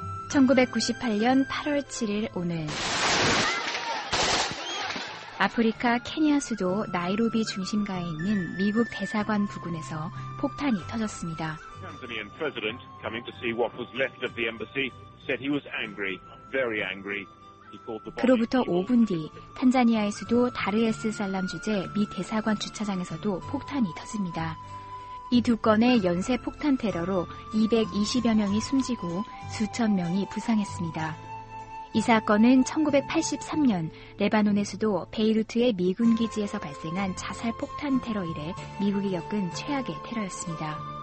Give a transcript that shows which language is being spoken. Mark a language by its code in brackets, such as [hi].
[ko] 1998년 8월 7일 오늘 아프리카 케냐 수도 나이로비 중심가에 있는 미국 대사관 부근에서 폭탄이 터졌습니다. [en] Tanzanian president coming to see what was left of the embassy said he was angry, very angry. [ko] 그로부터 5분 뒤 탄자니아의 수도 다르에스살람 주재 미 대사관 주차장에서도 폭탄이 터집니다. 이 두 건의 연쇄 폭탄 테러로 220여 명이 숨지고 수천 명이 부상했습니다. 이 사건은 1983년 레바논의 수도 베이루트의 미군기지에서 발생한 자살 폭탄 테러 이래 미국이 겪은 최악의 테러였습니다.